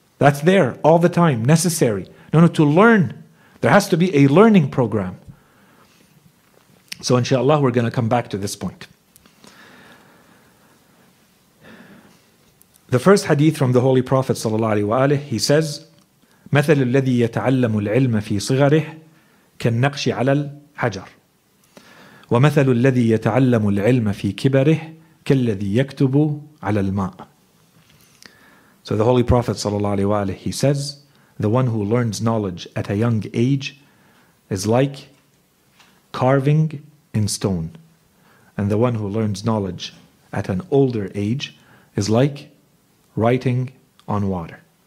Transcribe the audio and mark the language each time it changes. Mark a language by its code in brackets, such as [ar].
[en] That's there all the time, necessary. No, to learn. There has to be a learning program. So inshallah, we're going to come back to this point. The first hadith from the Holy Prophet, sallallahu alaihi wa alihi, he says, [ar] مثل الذي يتعلم العلم في صغره كالنقش على الحجر ومثل الذي يتعلم العلم في كبره كالذي يكتب على الماء. [en] So the Holy Prophet sallallahu alaihi wa alihi, he says, the one who learns knowledge at a young age is like carving in stone, and the one who learns knowledge at an older age is like writing on water.